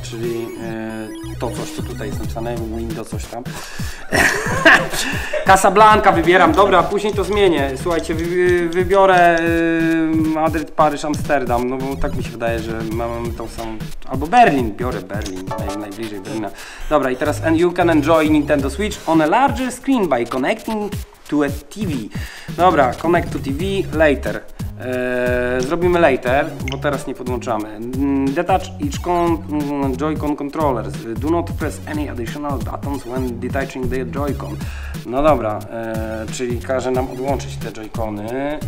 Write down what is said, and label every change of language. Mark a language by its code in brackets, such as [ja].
[pl] czyli to coś, co tutaj jest napisane, window coś tam. Casablanca wybieram, dobra, później to zmienię. Słuchajcie, wybiorę Madryt, Paryż, Amsterdam, no bo tak mi się wydaje, że mam tą samą... Albo Berlin, biorę Berlin, najbliżej Berlina. Dobra, i teraz [en] and you can enjoy Nintendo Switch on a larger screen by connecting to a TV. [pl] Dobra, [en] connect to TV later. [pl] Zrobimy later, bo teraz nie podłączamy. [en] Detach each Joy-Con controller. Do not press any additional buttons when detaching the Joy-Con. [pl] No dobra, czyli każe nam odłączyć te Joy-Cony.